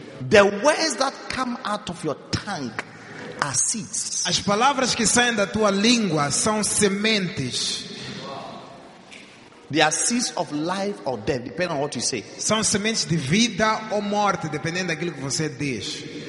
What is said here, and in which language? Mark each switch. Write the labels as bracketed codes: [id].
[en] The words that come out of your tongue are seeds. [pt] As palavras que saem da tua língua são sementes. [en] They are seeds of life or death, depending on what you say. [pt] São sementes de vida ou morte, dependendo daquilo que você diz.